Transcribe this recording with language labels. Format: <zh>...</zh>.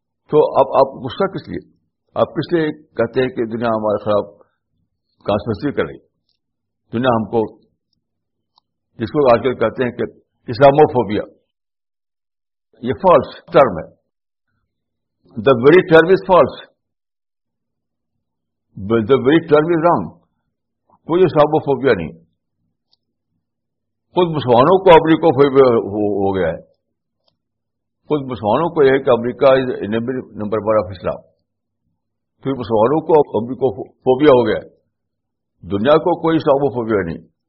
<ur>تو اب آپ غصہ کس لیے؟ آپ کس لیے کہتے ہیں کہ دنیا ہمارے خلاف کانسپریسی کر رہی؟ دنیا ہم کو جس کو آج کل کہتے ہیں کہ اسلاموفوبیا, یہ فالس ٹرم ہے.</ur> <en>The very term is false, the very term is wrong.</en> <ur>کوئی اسلاموفوبیا نہیں. خود مسلمانوں کو امریکہ فوبیا ہو گیا ہے. خود مسلمانوں کو یہ ہے کہ</ur> <en>امریکہ is enemy number one of Islam.</en> <ur>پھر مسلمانوں کو امریکہ فوبیا ہو گیا ہے. دنیا کو کوئی اسلاموفوبیا نہیں.</ur>